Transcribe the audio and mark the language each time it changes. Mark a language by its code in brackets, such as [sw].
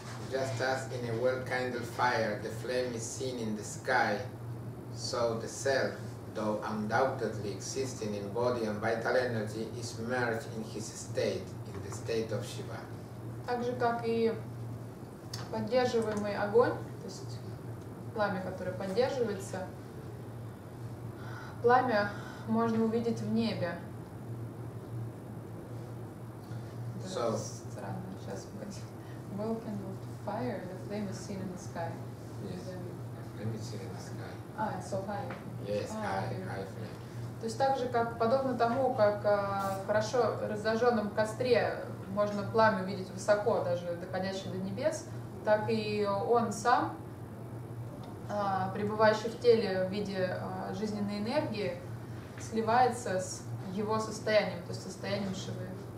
[en] Just as in a well-kindled fire the flame is seen in the sky, so the self, though undoubtedly existing in body and vital energy, is merged in his state, in the state of Shiva. [ru] Так же, как и поддерживаемый огонь, то есть пламя, которое поддерживается, пламя можно увидеть в небе. [en] So, [ru] странно, сейчас будет. [en] Well-kindled fire, the flame is seen in the sky. Yes, the flame is seen in the sky. It's so high. Yes, high flame. [ru] То есть так же, как подобно тому, как в хорошо разожженном костре можно пламя видеть высоко, даже доходящее до небес, так и он сам, пребывающий в теле в виде жизненной энергии, сливается с его состоянием, то есть состоянием Шивы.